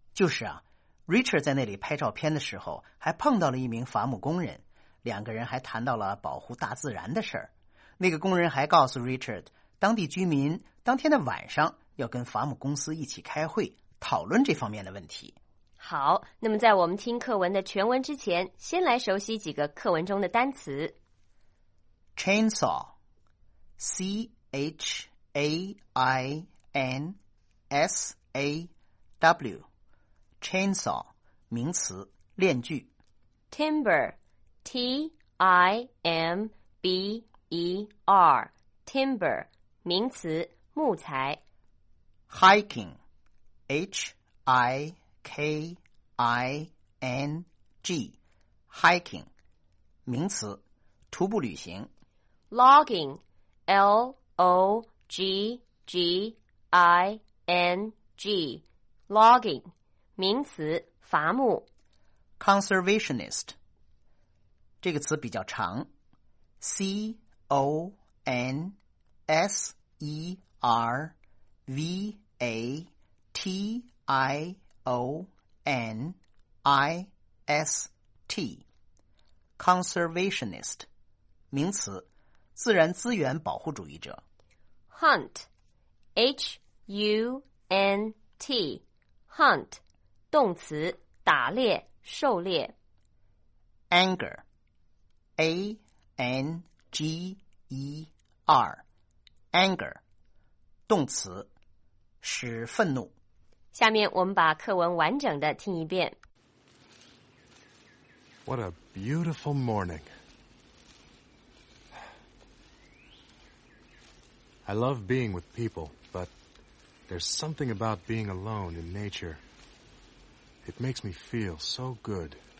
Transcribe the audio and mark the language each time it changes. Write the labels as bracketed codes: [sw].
[zh] 就是啊， Richard 在那里拍照片的时候还碰到了一名伐木工人，两个人还谈到了保护大自然的事儿。那个工人还告诉 Richard， 当地居民当天的晚上要跟伐木公司一起开会，讨论这方面的问题。好，那么在我们听课文的全文之前，先来熟悉几个课文中的单词。 Chainsaw， C-H-A-I-N-S-A-W， Chainsaw， 名词，链锯。 Timber， T-I-M-B-E-R E-R, timber, 名词，木材。 Hiking, H-I-K-I-N-G, hiking, 名词，徒步旅行。 Logging, L-O-G-G-I-N-G, logging, 名词，伐木。 Conservationist, 这个词比较长， C-O-N-S-E-R-V-A-T-I-O-N-I-S-T Conservationist 名词，自然资源保护主义者。 Hunt H-U-N-T Hunt 动词，打猎，狩猎。 Anger A-N-G E-R Anger 动词，使愤怒。下面我们把课文完整的听一遍。 [en] What a beautiful morning. I love being with people, but there's something about being alone in nature. It makes me feel so good.